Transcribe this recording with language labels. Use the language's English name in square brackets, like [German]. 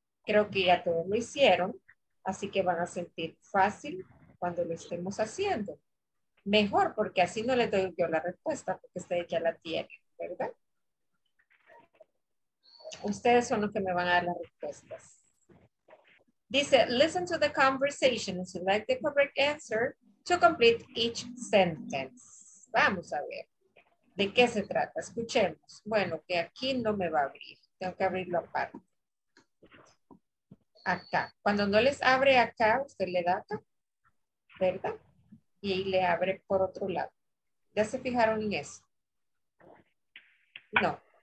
[Spanish] Creo que ya todos lo hicieron, así que van a sentir fácil cuando lo estemos haciendo. Mejor, porque así no les doy yo la respuesta, porque ustedes ya la tienen, ¿verdad? Ustedes son los que me van a dar las respuestas. Dice, [English] listen to the conversation and select the correct answer to complete each sentence. [Spanish] Vamos a ver. ¿De qué se trata? Escuchemos. Bueno, que aquí no me va a abrir. Tengo que abrirlo aparte. Acá. Cuando no les abre acá, usted le da acá. ¿Verdad? Y ahí le abre por otro lado. ¿Ya se fijaron en eso? No.